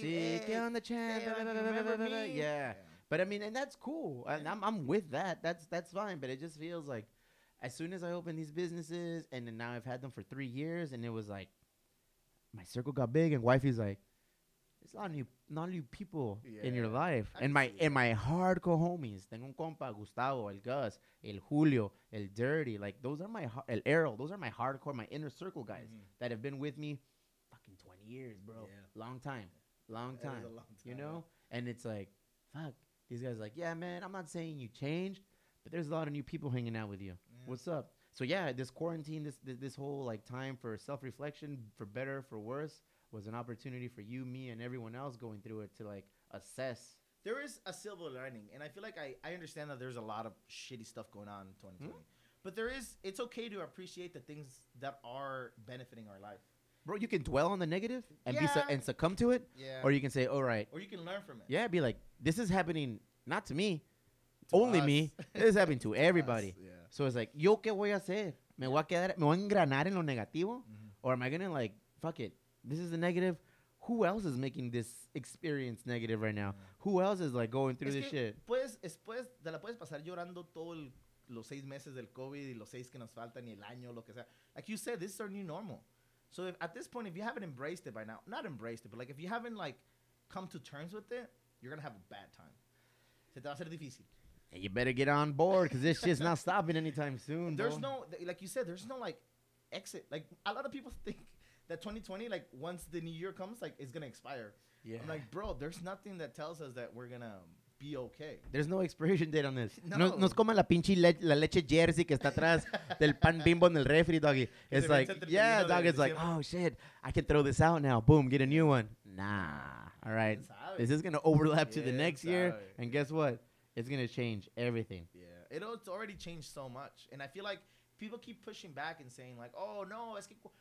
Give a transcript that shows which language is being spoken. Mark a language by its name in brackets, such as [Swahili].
[English] See, get on the chat. Yeah. But I mean, and that's cool. And I'm with that. That's fine. But it just feels like as soon as I opened these businesses and then now I've had them for 3 years and it was like my circle got big and wifey's like, it's a lot of new people in your life. And my hardcore homies. [Spanish] Tengo un compa, Gustavo, el Gus, el Julio, el Dirty. [English] Like, those are my, el Errol. Those are my hardcore, my inner circle guys that have been with me fucking 20 years, bro. Yeah. Long time. That is a long time. You know? And it's like, fuck. These guys are like, yeah, man, I'm not saying you changed, but there's a lot of new people hanging out with you. Yeah. What's up? So, yeah, this quarantine, this whole, like, time for self-reflection, for better, for worse, was an opportunity for you, me, and everyone else going through it to, like, assess. There is a silver lining, and I feel like I understand that there's a lot of shitty stuff going on in 2020. Mm-hmm. But there is – it's okay to appreciate the things that are benefiting our life. Bro, you can dwell on the negative and and succumb to it. Yeah. Or you can say, all right. Or you can learn from it. Yeah, be like, this is happening not to me, to only us. Me. This is happening to everybody. Yeah. So it's like, yo, [Spanish] ¿qué voy a hacer? ¿Me voy a quedar – me voy a engranar en lo negativo? [English] Mm-hmm. Or am I going to, like, fuck it? This is a negative. Who else is making this experience negative right now? Who else is, like, going through this shit? [Spanish] Después te la puedes pasar llorando todo los 6 meses del COVID y los 6 que nos faltan y el año, lo que sea. [English] Like you said, this is our new normal. So if, at this point, if you haven't embraced it by now, not embraced it, but, like, if you haven't, like, come to terms with it, you're going to have a bad time. [Spanish] Se te va a hacer difícil. [English] And you better get on board because this shit's not stopping anytime soon. There's no, like you said, there's no, like, exit. Like, a lot of people think that 2020, like, once the new year comes, like, it's going to expire. Yeah. I'm like, bro, there's nothing that tells us that we're going to be okay. There's no expiration date on this. No. [Spanish] No es como la pinche la leche jersey que está atrás del pan bimbo en el refri, doggy. [English] It's like, yeah, dog, it's like, oh, shit, I can throw this out now. Boom, get a new one. Nah. All right. This is going to overlap to the next year. And guess what? It's going to change everything. Yeah. It's already changed so much. And I feel like people keep pushing back and saying, like, oh, no, es que...